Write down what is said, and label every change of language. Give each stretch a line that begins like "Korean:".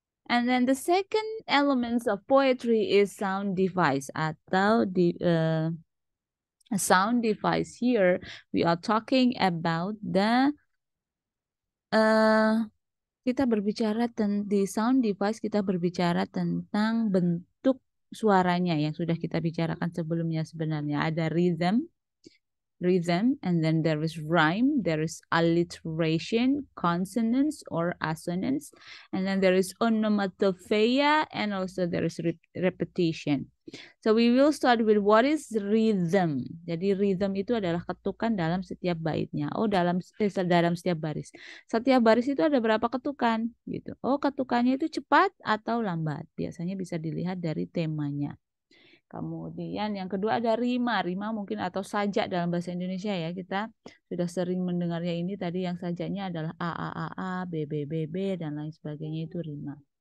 English: And then the second elements of poetry is sound device.
Indonesian: Atau di
English: sound device here, we are talking about the
Indonesian: kita berbicara di sound device, kita berbicara tentang bentuk suaranya yang sudah kita bicarakan sebelumnya. Sebenarnya ada
English: rhythm, rhythm, and then there is rhyme, there is alliteration, consonants or assonance, and then there is onomatopoeia, and also there is repetition. So we will start with what is rhythm.
Indonesian: Jadi rhythm itu adalah ketukan dalam setiap baitnya. Oh, dalam setiap baris. Setiap baris itu ada berapa ketukan gitu. Oh, ketukannya itu cepat atau lambat. Biasanya bisa dilihat dari temanya. Kemudian yang kedua ada rima. Rima mungkin atau sajak dalam bahasa Indonesia ya. Kita sudah sering mendengarnya ini tadi, yang sajaknya adalah A, B, B, B, B, dan lain sebagainya, itu rima.